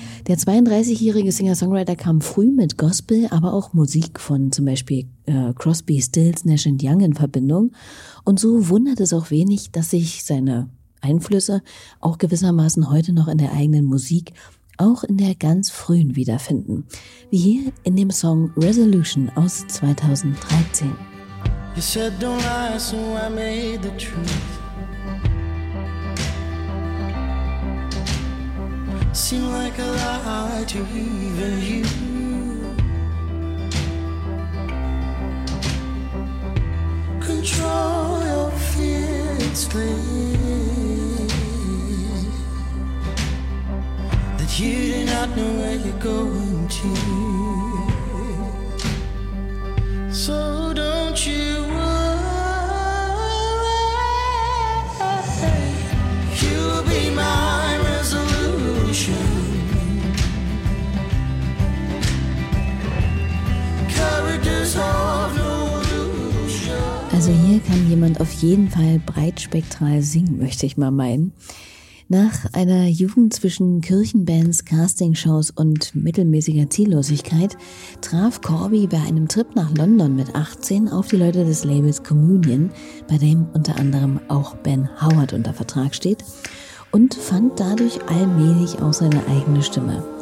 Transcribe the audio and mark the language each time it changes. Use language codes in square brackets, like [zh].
[de] Der 32-jährige Singer-Songwriter kam früh mit Gospel, aber auch Musik von zum Beispiel Crosby, Stills, Nash & Young in Verbindung. Und so wundert es auch wenig, dass sich seine Einflüsse auch gewissermaßen heute noch in der eigenen Musik auch in der ganz frühen wiederfinden. Wie hier in dem Song Resolution aus 2013. [en] You said don't lie, so I made the truth seem like a lie to even you. Control your fears, please. You do not know where you're going to. So don't you worry. You'll be my resolution. Characters of no illusion. [de] Also hier kann jemand auf jeden Fall breitspektral singen, möchte ich mal meinen. Nach einer Jugend zwischen Kirchenbands, Castingshows und mittelmäßiger Ziellosigkeit traf Corby bei einem Trip nach London mit 18 auf die Leute des Labels Communion, bei dem unter anderem auch Ben Howard unter Vertrag steht, und fand dadurch allmählich auch seine eigene Stimme.